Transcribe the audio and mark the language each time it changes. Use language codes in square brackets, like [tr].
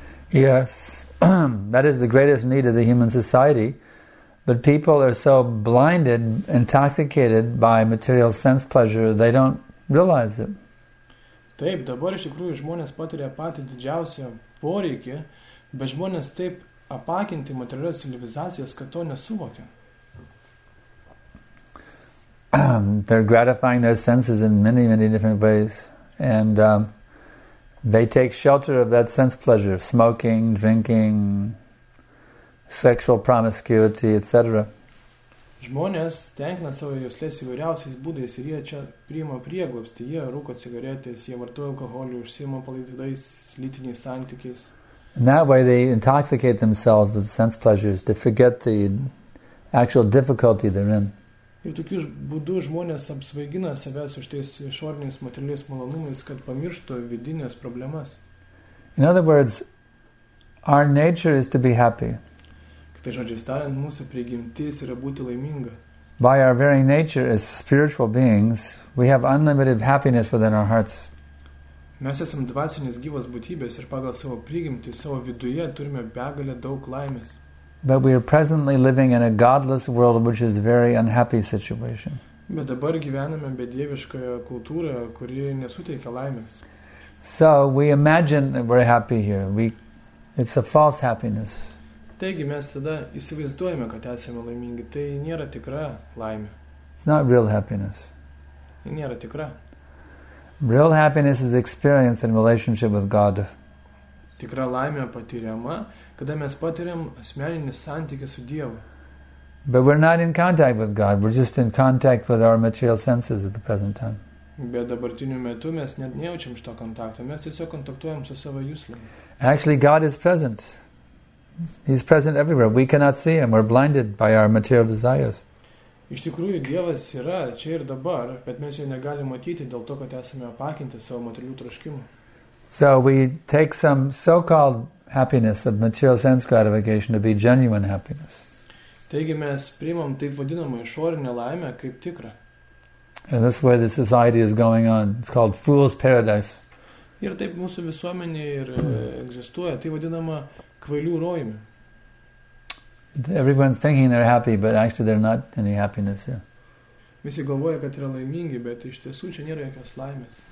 [en] Yes, that is the greatest need of the human society, but people are so blinded, intoxicated by material sense pleasure, they don't realize it. [lt] Taip, dabar iš tikrųjų žmonės patiria patį didžiausią poreikį, bet žmonės taip apakinti materialios civilizacijos, kad to nesuvokia. [en] They're gratifying their senses in many, many different ways. And they take shelter of that sense pleasure, smoking, drinking, sexual promiscuity, etc. [lt] Žmonės tenkina savo jauslės įvairiausiais būdais ir jie čia priima prieglobstį. Jie rūko cigaretės, jie vartoja alkoholį, užsiima palaidais lytiniais santykiais. [en] In that way they intoxicate themselves with sense pleasures to forget the actual difficulty they're in. [lt] Ir tokiu būdu žmonės apsvaigina save su šitais išoriniais materialiais malonumais, kad pamirštų vidinės problemas. [en] In other words, our nature is to be happy. [lt] Kitai žodžiais tariant, mūsų prigimtis yra būti laiminga. [en] By our very nature as spiritual beings, we have unlimited happiness within our hearts. [lt] Mes esame dvasinės gyvos būtybės ir pagal savo prigimtį, savo viduje turime begalę daug laimės. [en] But we are presently living in a godless world, which is a very unhappy situation. [lt] Bet dabar gyvename bedieviškoje kultūroje, kuri nesuteikia laimės. [en] So we imagine that we're happy here. It's a false happiness. [lt] Taigi mes tada įsivaizduojame, kad esame laimingi. Tai nėra tikra laimė. [en] It's not real happiness. [lt] Nėra tikra. [en] Real happiness is experienced in relationship with God. [lt] Tikra laimė patiriama, kada mes patiriam asmeninį santykį su Dievu. [en] But we're not in contact with God, we're just in contact with our material senses at the present time. [lt] Bet dabartiniu metu mes net nejaučiam šito kontakto, mes tiesiog kontaktuojam su savo juslėmis. [en] Actually, God is present. He's present everywhere. We cannot see Him. We're blinded by our material desires. [lt] Iš tikrųjų, Dievas yra čia ir dabar, bet mes jo negalime matyti dėl to, kad esame apakinti savo materialių troškimų. [en] So we take some so-called happiness of material sense gratification to be genuine happiness. [lt] Taigi mes priimam taip vadinamą išorinę laimę kaip tikrą. [en] And this way the society is going on. It's called fool's paradise. [lt] Ir taip mūsų visuomenė ir egzistuoja, tai vadinama kvailių rojumi. [en] Everyone's thinking they're happy, but actually they're not any happiness here. [lt] Visi galvoja, kad yra laimingi, bet iš tiesų čia nėra jokios laimės.